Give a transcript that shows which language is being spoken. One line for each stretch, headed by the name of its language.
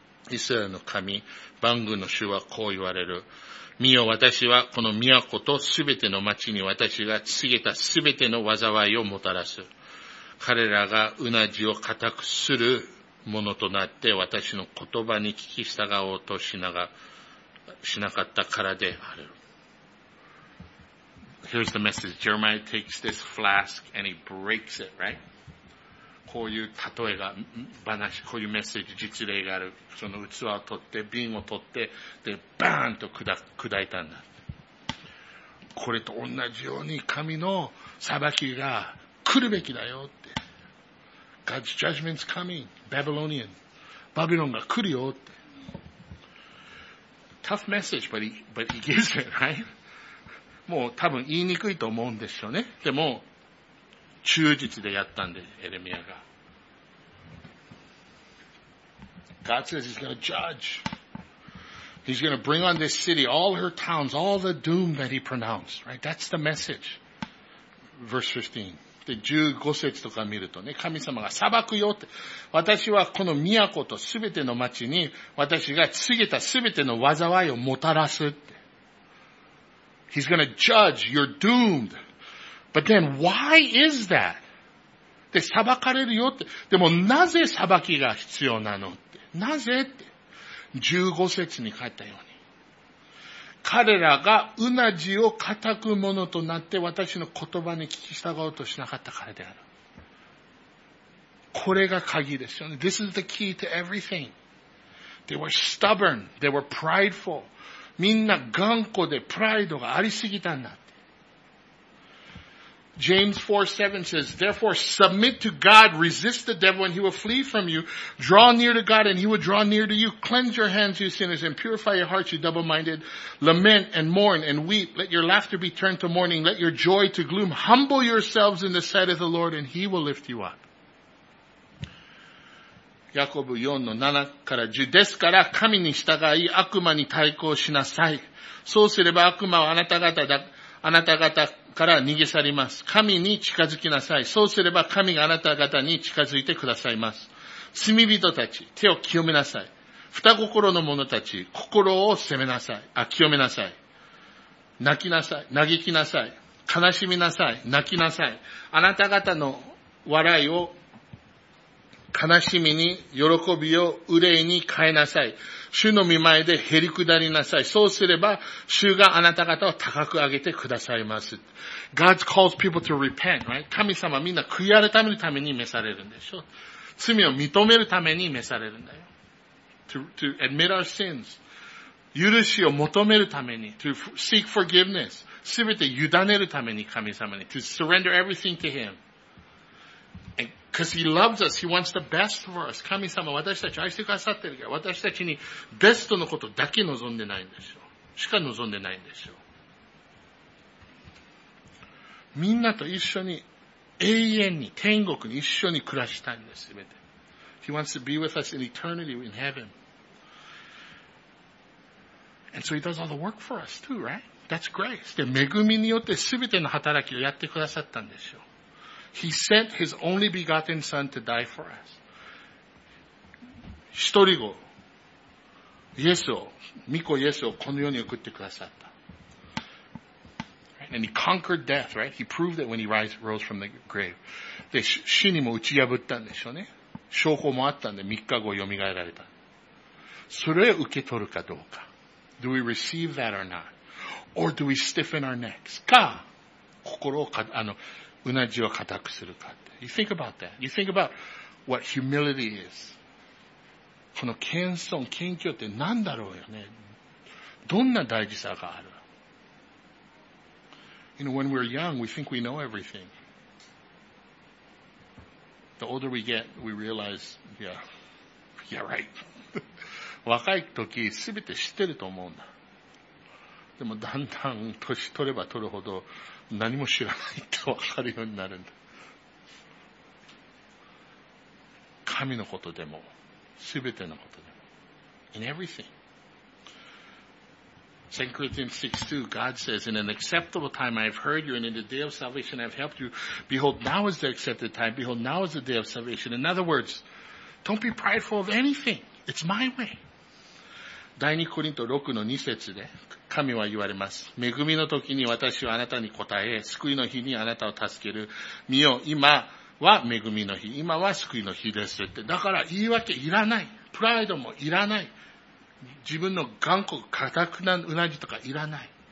Japanese: イスラエルの神、万軍の主はこう言われる。見よ、私はこの都とすべての町に私が告げたすべての災いをもたらす。彼らがうなじを固くするものとなって私の言葉に聞き従おうとしなかったからである。
English: Here's the message. Jeremiah takes this flask and he breaks it, right?
Japanese: こういう例えが、話、こういうメッセージ、実例がある。その器を取って、瓶を取って、で、バーンと砕いたんだ。これと同じように神の裁きが来るべきだよって。
English: God's judgment's coming, Babylonian.
Japanese: バビロンが来るよって。
English: Tough message, but he gives it, right?
Japanese: もう多分言いにくいと思うんですよね。でも、忠実でやったんで、エレミアが。
English: God says he's going to judge. He's going to bring on this city, all her towns, all the doom that he pronounced, right? That's the message. Verse 15.
Japanese: で、15節とか見るとね、神様が裁くよって、私はこの都とすべての町に、私が告げたすべての災いをもたらすって。
English: He's gonna judge, you're doomed. But then, why is that?
Japanese: で、裁かれるよって。でも、なぜ裁きが必要なのって。なぜって。 15節に書いたように。彼らがうなじを固くものとなって、私の言葉に聞き従おうとしなかったからである。これが鍵ですよね。
English: This is the key to everything. They were stubborn. They were prideful.
Japanese: みんな頑固でプライドがありすぎたんだって。
English: James 4:7 says, Therefore submit to God, resist the devil and he will flee from you. Draw near to God and he will draw near to you. Cleanse your hands, you sinners, and purify your hearts, you double-minded. Lament and mourn and weep. Let your laughter be turned to mourning. Let your joy to gloom. Humble yourselves in the sight of the Lord and he will lift you up.
Japanese: ヤコブ4の7から10。ですから神に従い悪魔に対抗しなさい。そうすれば悪魔はあなた方から逃げ去ります。神に近づきなさい。そうすれば神があなた方に近づいてくださいます。罪人たち、手を清めなさい。双心の者たち、心を責めなさい。あ、清めなさい。泣きなさい。嘆きなさい。悲しみなさい。泣きなさい。あなた方の笑いを悲しみに、喜びを憂いに変えなさい。主の御前でへりくだりなさい。そうすれば、主があなた方を高く上げてくださいます。
English: God calls people to repent, right?
Japanese: 神様はみんな悔い改めるために召されるんでしょ。罪を認めるために召されるんだよ。
English: To admit our sins.
Japanese: 許しを求めるために。
English: To seek forgiveness.
Japanese: すべて委ねるために神様に。
English: To surrender everything to Him. Because He loves us, He wants the best for us.
Japanese: 神様は私たち愛してくださってるから、私たちにベストのことだけ望んでないんですよ。しか望んでないんですよ。みんなと一緒に永遠に、天国に一緒に暮らしたいんです、すべて。
English: He wants to be with us in eternity in heaven. And so He does all the work for us too, right? That's grace.
Japanese: で、恵みによってすべての働きをやってくださったんですよ。
English: He sent His only begotten Son to die for us.
Japanese: 一人子、イエスを、御子イエスをこの世に送ってくださった。
English: Right? And He conquered death, right? He proved it when He rose from the grave.
Japanese: で、死にも打ち破ったんでしょうね。証拠もあったんで、三日後よみがえられた。それを受け取るかどうか。
English: Do we receive that or not? Or do we stiffen our necks?
Japanese: か、心をか、あの、うなじを固くするかって。
English: You think about that. You think about what humility is.
Japanese: この謙遜、謙虚って何だろうよね。どんな大事さがある ?
English: You know, when we're young, we think we know everything. The older we get, we realize, yeah right.
Japanese: 若い時、すべて知ってると思うんだ。でもだんだん年取れば取るほど、何も知らないって分かるようになるんだ。神のことでも、すべてのことでも。
English: In everything. 2 Corinthians 6:2, God says, In an acceptable time I have heard you, and in the day of salvation I have helped you. Behold, now is the accepted time. Behold, now is the day of salvation. In other words, don't be prideful of anything. It's my way.
Japanese: 第2コリント6の2節で、神は言われます。恵みの時に私はあなたに答え、救いの日にあなたを助ける。見よ、今は恵みの日、今は救いの日ですって。だから言い訳いらない。プライドもいらない。自分の頑固、固くなうなじとかいらない。